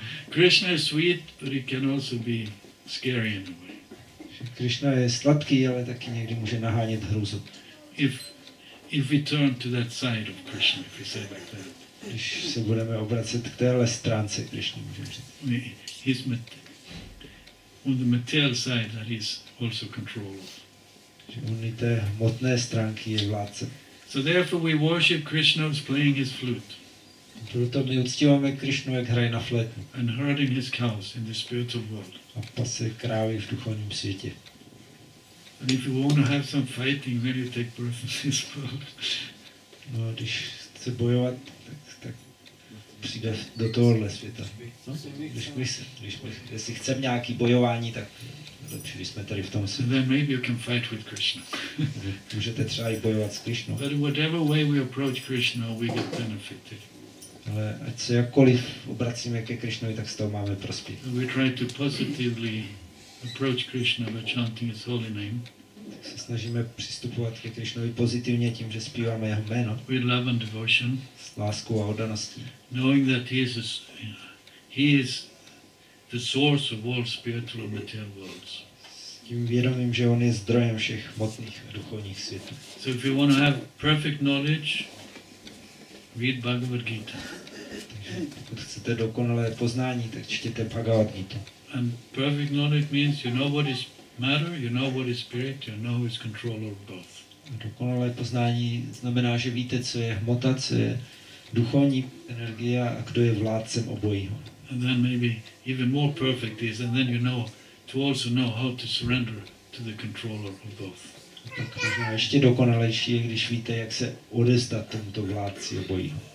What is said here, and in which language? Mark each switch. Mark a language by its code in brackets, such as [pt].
[en] Krishna is sweet, but it can also be scary in a way. [cs] Krishna je sladký, ale taky někdy může nahánět hrůzu. [en] If we turn to that side of Krishna, if we say like that. [cs] když se budeme obracet k téhle stránce Krišny, můžeme říct. [en] He's on the material side, that is also control. [cs] Že on i té hmotné stránky je vládce. [en] So therefore we worship Krishna who's playing his flute. [cs] Proto my uctíváme Krišnu, jak hraje na flétnu. [en] And herding his cows in the spiritual world. [cs] A pase krávy v duchovním světě. [en] And if you want to have some fighting, then you take birth in this world. [cs] No, když chce bojovat, tak přijde do tohohle světa. Když si chcem nějaký bojování, tak lepší, když jsme tady v tom světě. [en] Then maybe you can fight with Krishna. [cs] Můžete třeba i bojovat s Krishnou. [en] But whatever way we approach Krishna, we get benefited. [cs] Ale ať se jakkoliv obracíme ke Krishnovi, tak z toho máme prospěch. [en] We try to positively approach Krishna by chanting his holy name. [cs] Tak se snažíme přistupovat ke Krišnovi pozitivně tím, že zpíváme jeho jméno. [en] With love and devotion. [cs] S láskou a oddaností. [en] Knowing that he is the source of all spiritual and material worlds. [cs] S tím vědomím, že on je zdrojem všech hmotných a duchovních světů. [en] So if you want to have perfect knowledge, read Bhagavad Gita. [cs] Pokud chcete dokonalé poznání, tak čtěte Bhagavad Gita. [en] And perfect knowledge means you know what is matter, you know what is spirit, you know who is controller of both. [cs] Dokonalé poznání znamená, že víte, co je hmota, co je duchovní energie a kdo je vládcem obojího. [en] And then maybe even more perfect is, and then you know to also know how to surrender to the controller of both. [cs] A ještě dokonalejší je, když víte, jak se odevzdat tomuto vládci obojího.